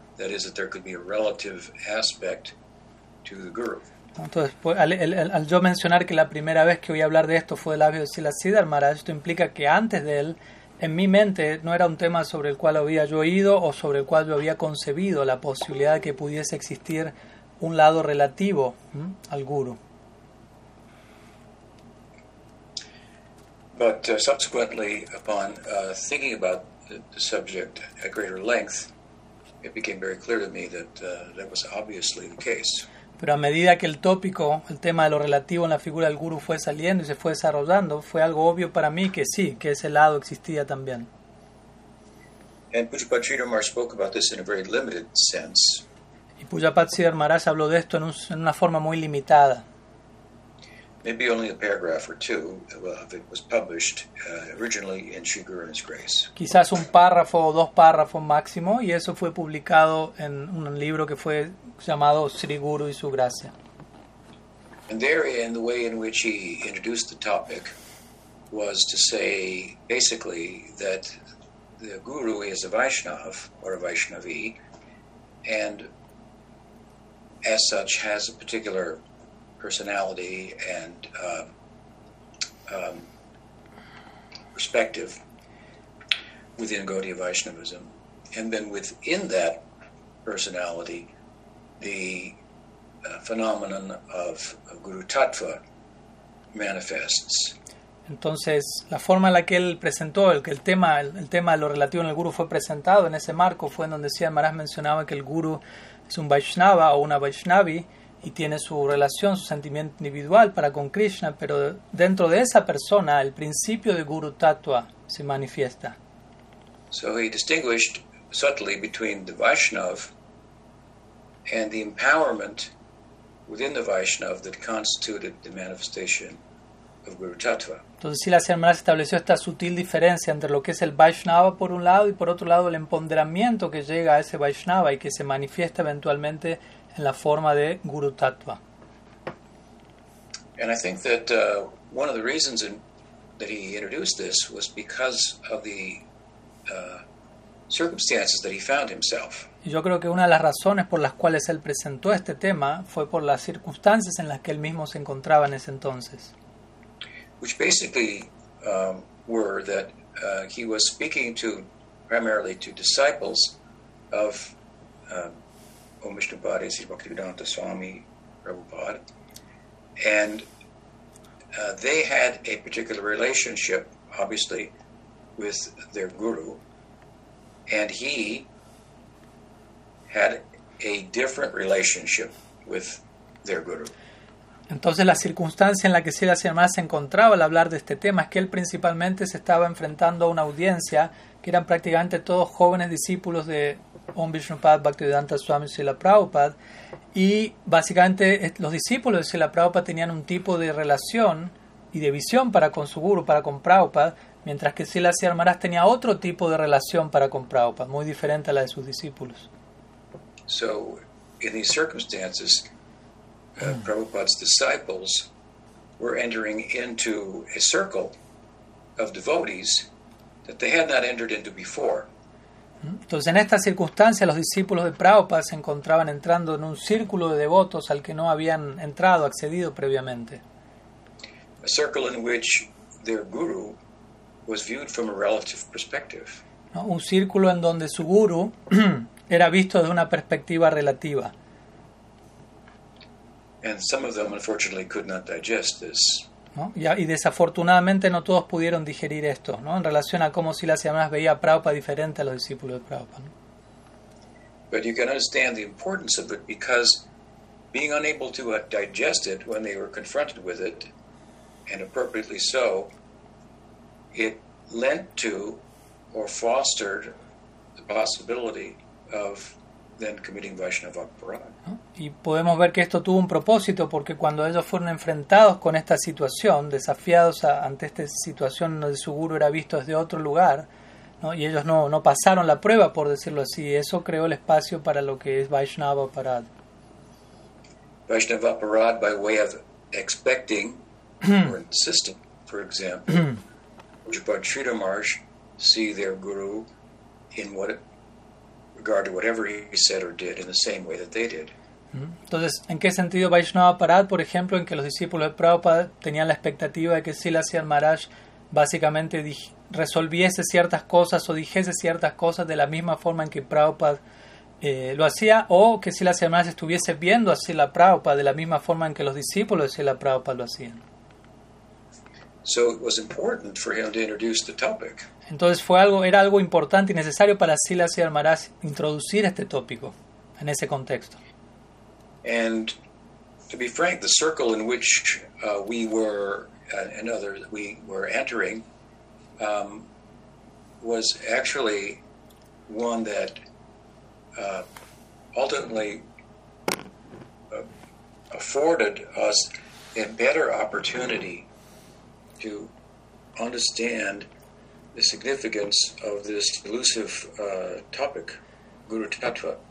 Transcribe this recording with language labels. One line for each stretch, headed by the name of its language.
English: That is, that there could be a relative aspect to the guru.
Spanish: Entonces, pues, al yo mencionar que la primera vez que voy a hablar de esto fue de labios de Srila Siddhar Maharaj, esto implica que antes de él, en mi mente no era un tema sobre el cual había yo oído o sobre el cual yo había concebido la posibilidad de que pudiese existir un lado relativo al guru.
English: But subsequently, upon thinking about the subject at greater length, it became very clear to me that that was obviously the case.
Spanish: Pero a medida que el tópico, el tema de lo relativo en la figura del gurú fue saliendo y se fue desarrollando, fue algo obvio para mí que sí, que ese lado existía también.
English: And Pujapati Sridharmar spoke about this in a very limited sense.
Spanish: Y Pujapati Sridharmaraj habló de esto en una forma muy limitada.
English: Maybe only a paragraph or two of it was published originally in Sri Gurudev's Grace.
Spanish: Quizás un párrafo o dos párrafos máximo, y eso fue publicado en un libro que fue llamado Sri Guru y su Gracia.
English: And therein, the way in which he introduced the topic was to say, basically, that the Guru is a Vaishnav, or a Vaishnavi, and as such has a particular personality and perspective within Gaudiya Vaishnavism. And then within that personality, the phenomenon of Guru Tattva manifests.
Spanish: Entonces, la forma en la que él presentó, el tema de lo relativo en el Guru fue presentado en ese marco, fue en donde Sridhar Maharaj mencionaba que el Guru es un Vaishnava o una Vaishnavi y tiene su relación, su sentimiento individual para con Krishna, pero dentro de esa persona el principio de Guru Tattva se manifiesta.
English: So he distinguished subtly between the Vaishnav and the empowerment within the Vaishnav that constituted the manifestation of Guru Tattva.
Spanish: Entonces, si la Sermana estableció esta sutil diferencia entre lo que es el Vaishnava por un lado y por otro lado el empoderamiento que llega a ese Vaishnava y que se manifiesta eventualmente en la forma de Guru Tattva.
English: And I think that one of the reasons that he introduced this was because of the circumstances that he found himself.
Spanish: Y yo creo que una de las razones por las cuales él presentó este tema fue por las circunstancias en las que él mismo se encontraba en ese entonces.
English: Which basically were that he was speaking to primarily to disciples of Om Vishnupade, Sri Bhaktivedanta Swami, Prabhupada, and they had a particular relationship, obviously, with their guru, and he had a different relationship with their guru.
Spanish: Entonces, la circunstancia en la que Sridhar Maharaj se encontraba al hablar de este tema es que él principalmente se estaba enfrentando a una audiencia que eran prácticamente todos jóvenes discípulos de Om Vishnupad Bhaktivedanta Swami Srila Prabhupada, y básicamente los discípulos de Srila Prabhupada tenían un tipo de relación y de visión para con su guru, para con Prabhupada, mientras que Sridhar Maharaj tenía otro tipo de relación para con Prabhupada, muy diferente a la de sus discípulos.
English: So, in these circumstances, Prabhupada's disciples were entering into a circle of devotees that they had not entered into before.
Spanish: Entonces, en esta circunstancia, los discípulos de Prabhupada se encontraban entrando en un círculo de devotos al que no habían entrado, accedido previamente.
English: A circle in which their guru was viewed from a relative perspective.
Spanish: ¿No? Un círculo en donde su guru era visto desde una perspectiva relativa.
English: And some of them, unfortunately, could not digest this.
Spanish: ¿No? Y desafortunadamente no todos pudieron digerir esto, ¿no? En relación a cómo Silas y Amás veía a Prabhupada diferente a los discípulos de Prabhupada, ¿no?
English: But you can understand the importance of it because being unable to digest it when they were confronted with it, and appropriately so, it lent to or fostered the possibility of then committing Vaishnava Aparadha.
Spanish: Y podemos ver que esto tuvo un propósito porque cuando ellos fueron enfrentados con esta situación, desafiados ante esta situación donde su guru era visto desde otro lugar, ¿no? Y ellos no pasaron la prueba, por decirlo así, eso creó el espacio para lo que es Vaishnava Aparadha.
English: Vaishnava Aparadha by way of expecting or insisting, for example, Pujapad Sridharmarsh see their guru in what regard to whatever he said or did in the same way that they did.
Spanish: Entonces, ¿en qué sentido Vaishnava Parad, por ejemplo, en que los discípulos de Prabhupada tenían la expectativa de que Srila Sridhar Maharaj básicamente resolviese ciertas cosas o dijese ciertas cosas de la misma forma en que Prabhupada lo hacía, o que Srila Sridhar Maharaj estuviese viendo a Srila Prabhupada de la misma forma en que los discípulos de Srila Prabhupada lo hacían?
English: So it was important for him to introduce the topic.
Spanish: Entonces era algo importante y necesario para Srila Sridhar Maharaj introducir este tópico en ese contexto.
English: And to be frank, the circle in which we were and others we were entering was actually one that ultimately afforded us a better opportunity to understand the significance of this elusive topic, Guru Tattva.